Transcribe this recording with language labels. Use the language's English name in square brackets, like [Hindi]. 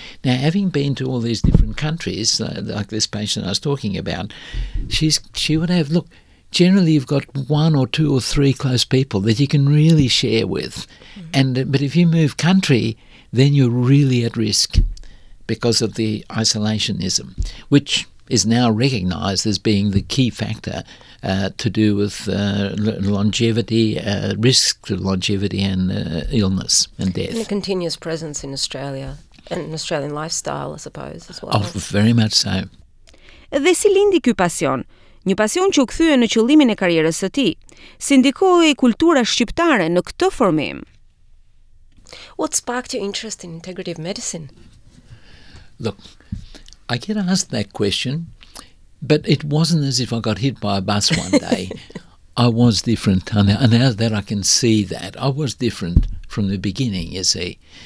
[English] Now, having been to all these different countries, like this patient I was talking about, she would have, look, generally you've got one or two or three close people that you can really share with, but if you move country, then you're really at risk because of the isolationism, which is now recognised as being the key factor to do with longevity, risk to longevity and illness and death. And a continuous presence in Australia and an Australian lifestyle, I suppose, as well. Oh, very much so. [Albanian] Dhe si lindi ky pasion? Një pasion që u kthye në qëllimin e karrierës së tij. Si ndikoi kultura shqiptare në këtë formim? [English] What sparked your interest in integrative medicine? Look, I get asked that question, but it wasn't as if I got hit by a bus one day. I was different, and now that I can see that, I was different from the beginning, you see.